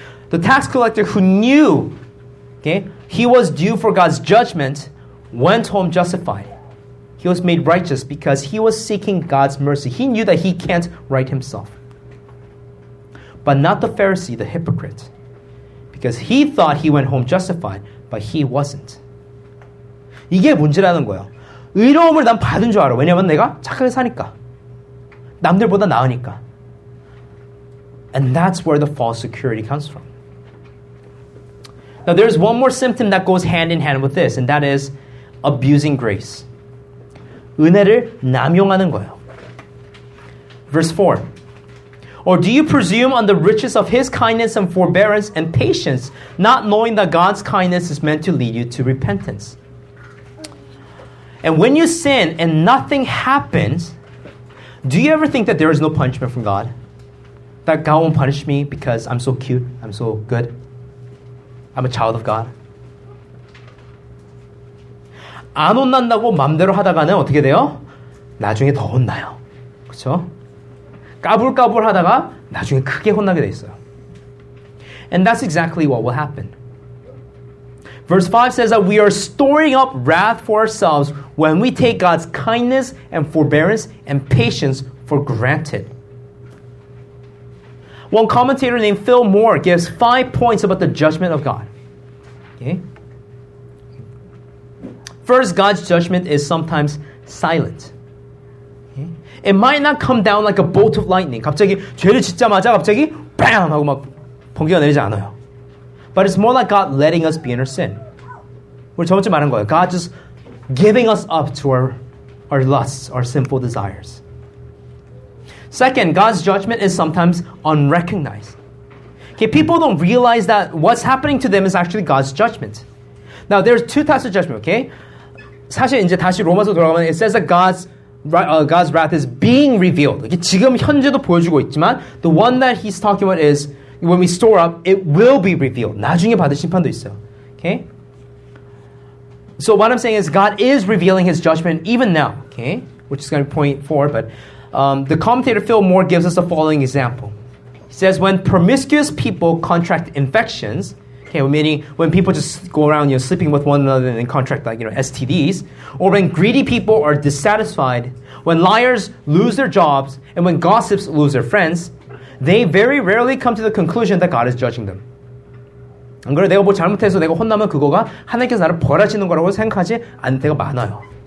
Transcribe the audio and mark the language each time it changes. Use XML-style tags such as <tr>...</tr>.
<en>The tax collector who knew, okay, he was due for God's judgment, went home justified. He was made righteous because he was seeking God's mercy. He knew that he can't right himself. But not the Pharisee, the hypocrite. because he thought he went home justified, but he wasn't.</en> <ko>이게 문제라는 거예요. 의로움을 난 받은 줄 알아. 왜냐면 내가 착하게 사니까. 남들보다 나으니까.</ko> <en>And that's where the false security comes from. Now there's one more symptom that goes hand in hand with this, and that is abusing grace.</en> <ko>은혜를 남용하는 거예요.</ko> <en>Verse 4. Or do you presume on the riches of his kindness and forbearance and patience, not knowing that God's kindness is meant to lead you to repentance? And when you sin and nothing happens, do you ever think that there is no punishment from God? That God won't punish me because I'm so cute, I'm so good, I'm a child of God?</en> <ko>안 혼난다고 맘대로 하다가는 어떻게 돼요? 나중에 더 혼나요. 그렇죠? 까불까불 하다가 나중에 크게 혼나게 돼 있어요.</ko> <en>And that's exactly what will happen. Verse 5 says that we are storing up wrath for ourselves when we take God's kindness and forbearance and patience for granted. One commentator named Phil Moore gives 5 points about the judgment of God. Okay. First, God's judgment is sometimes silent. Okay. It might not come down like a bolt of lightning.</en> <ko>갑자기 죄를 짓자마자 갑자기 BAM! 하고 막 번개가 내리지 않아요.</ko> <en>But it's more like God letting us be in our sin.</en> <ko>우리 저번 주 말한 거예요.</ko> <en>God just giving us up to our lusts, our sinful desires. Second, God's judgment is sometimes unrecognized. Okay, people don't realize that what's happening to them is actually God's judgment. Now, there's 2 types of judgment, okay?</en> <ko>사실 이제 다시 로마서 돌아가면</ko> <en>it says that God's wrath is being revealed.</en> <ko>이게 지금 현재도 보여주고 있지만</ko> <en>the one that he's talking about is when we store up, it will be revealed.</en> <ko>나중에 받을 심판도 있어요.</ko> <en>Okay? So what I'm saying is God is revealing his judgment even now. Okay? Which is going to be point 4. But the commentator Phil Moore gives us the following example. He says, when promiscuous people contract infections, okay, meaning when people just go around, you know, sleeping with one another and contract, like, you know, STDs, or when greedy people are dissatisfied, when liars lose their jobs, and when gossips lose their friends, they very rarely come to the conclusion that God is judging them.</en> <ko>안 그래 내가 뭐 잘못해서 내가 혼나면 그거가 하나님께서 나를 벌하시는 거라고 생각하지 않을 때가 많아요.</ko>